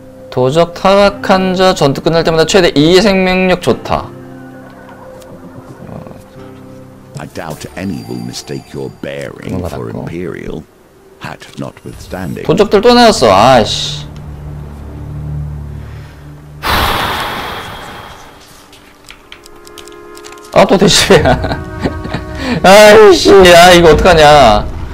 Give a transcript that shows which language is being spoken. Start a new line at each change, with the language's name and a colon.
Korean: 도적 타락한 자 전투 끝날 때마다 최대 2 생명력 좋다.
English: I doubt any will mistake your bearing for Imperial, hat notwithstanding.
Korean: 도적들 또 나왔어, 아이씨. 아, 또 대시야. 아이씨, 아, 이거 어떡하냐.